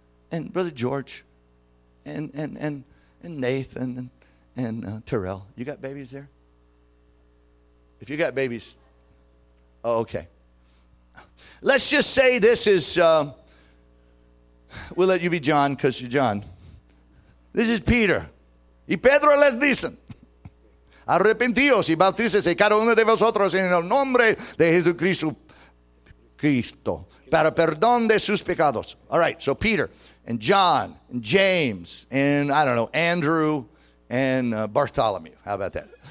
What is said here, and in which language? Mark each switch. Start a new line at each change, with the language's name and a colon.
English: And Brother George, and Nathan, and Terrell, you got babies there? If you got babies, oh, okay. Let's just say this is, we'll let you be John because you're John. This is Peter.
Spanish: Y Pedro les dicen, arrepentíos y bautícese cada uno de vosotros en el nombre de Jesucristo, Cristo, para perdón de sus pecados.
English: All right, so Peter and John and James and, I don't know, Andrew and Bartholomew. How about that?